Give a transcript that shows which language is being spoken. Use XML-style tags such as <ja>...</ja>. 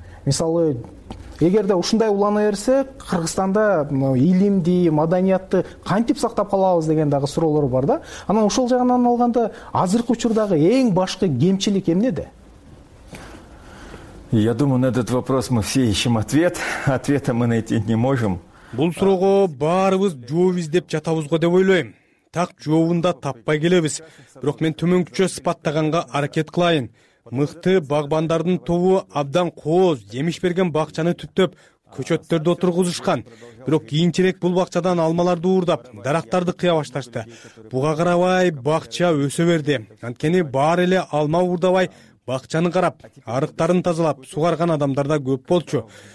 <ky>Мисалы, эгерде ушундай улана берсе, Кыргызстанда илимди, маданиятты кантип сактап калабыз деген дагы суроолор бар да. Анан ошол жагынан алганда, азыркы учурдагы эң башкы кемчилик эмнеде?</ky> <ru>Я думаю, на этот вопрос мы все ищем ответ. Ответа мы найти не можем.</ru> <ky>Бул суроого баарыбыз жооп издеп жатабыз го деп ойлойм. Так жообунда таппай келебиз. Бирок мен төмөнкүчө сыпаттаганга аракет кылайын. Мыкты багбандардын тобу абдан кооз, жемиш берген бакчаны түптөп, көчөттөрдү отургузушкан. Бирок кийинчерээк бул бакчадан алмаларды уурдап, дарактарды кыя башташты. Буга карабай бакча өсө берди. Анткени баары эле алма уурдабай, бакчаны карап, арыктарын тазалап, сугарган адамдар да көп болчу.</ky>